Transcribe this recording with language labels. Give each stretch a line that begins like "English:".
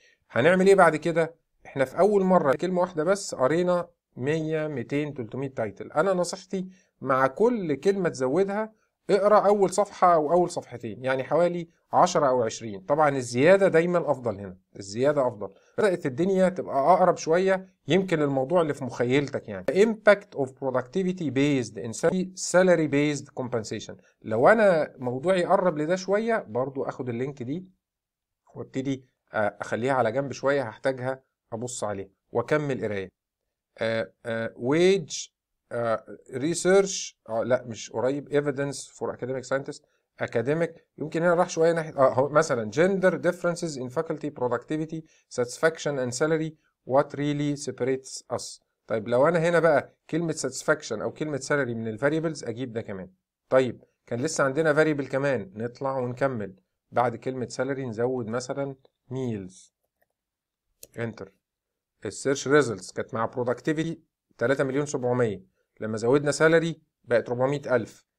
Arabic: هنعمل ايه بعد كده؟ احنا في اول مره كلمه واحده بس قرينا 100 200 300 تايتل. انا نصيحتي مع كل كلمه تزودها اقرا اول صفحه او اول صفحتين، يعني حوالي 10 او 20، طبعا الزياده دايما افضل هنا، الزياده افضل. بدات الدنيا تبقى اقرب شويه يمكن للموضوع اللي في مخيلتك يعني.
English: The impact of productivity based in salary based compensation.
Arabic: لو انا موضوعي قرب لده شويه برضو اخد اللينك دي وابتدي اخليها على جنب شويه، هحتاجها ابص عليها واكمل قرايه.
English: Wage research
Arabic: لا مش قريب.
English: evidence for academic scientist academic،
Arabic: يمكن هنا راح شويه ناحيه مثلا
English: gender differences in faculty productivity satisfaction and salary what really separates us.
Arabic: طيب لو انا هنا بقى كلمه satisfaction او كلمه salary من الفاريبلز اجيب ده كمان. طيب كان لسه عندنا فاريبل كمان، نطلع ونكمل بعد كلمه salary نزود مثلا meals.
English: enter.
Arabic: السيرش ريزلتس كانت مع productivity 3 مليون 700، لما زودنا سالري بقت 400000.